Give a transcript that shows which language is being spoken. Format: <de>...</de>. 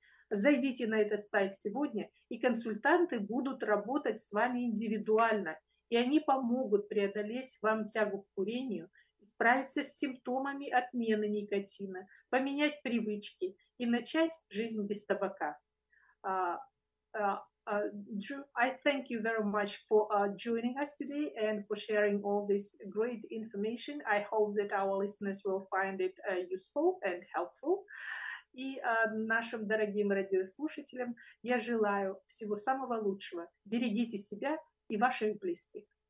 <ru>Зайдите на этот сайт сегодня, и консультанты будут работать с вами индивидуально, и они помогут преодолеть вам тягу к курению, справиться с симптомами отмены никотина, поменять привычки и начать жизнь без табака.</ru> <en>Drew, I thank you very much for joining us today and for sharing all this great information. I hope that our listeners will find it useful and helpful.</en> <ru>И нашим дорогим радиослушателям я желаю всего самого лучшего. Берегите себя и ваших близких.</ru>